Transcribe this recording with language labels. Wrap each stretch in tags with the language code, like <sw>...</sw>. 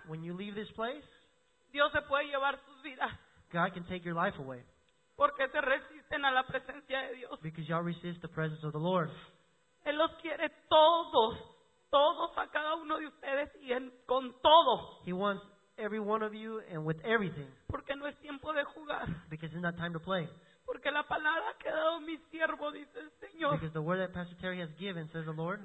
<en>When you leave this place.</en> <es>Dios se puede llevar sus vidas.</es> <en>God can take your life away.</en> <es>Porque se resisten a la presencia de Dios.</es> <en>Because y'all resist the presence of the Lord.</en> <es>Él los quiere todos. todos a cada uno de ustedes y en, con todo.</es> <en>He wants every one of you and with everything.</en> <es>Porque no es tiempo de jugar.</es> <en>Because it's not time to play.</en> <es>Porque la palabra que ha dado mi siervo, dice el Señor.</es> <en>Because the word that Pastor Terry has given, says the Lord,</en>